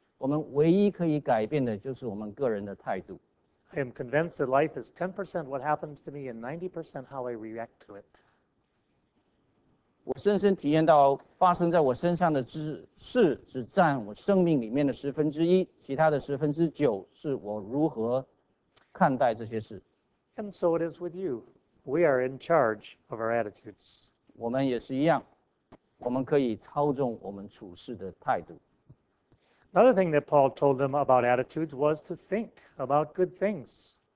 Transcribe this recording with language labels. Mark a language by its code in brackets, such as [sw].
[zh] 我们唯一可以改变的就是我们个人的态度。 [en] I am convinced that life is 10% what happens to me and 90% how I react to it. [zh] 我深深体验到发生在我身上的事只占我生命里面的十分之一，其他的十分之九是我如何看待这些事。 [en] And so it is with you. We are in charge of our attitudes. [zh] 我们也是一样，我们可以操纵我们处事的态度。 [en] Another thing that Paul told them about attitudes was to think about good things.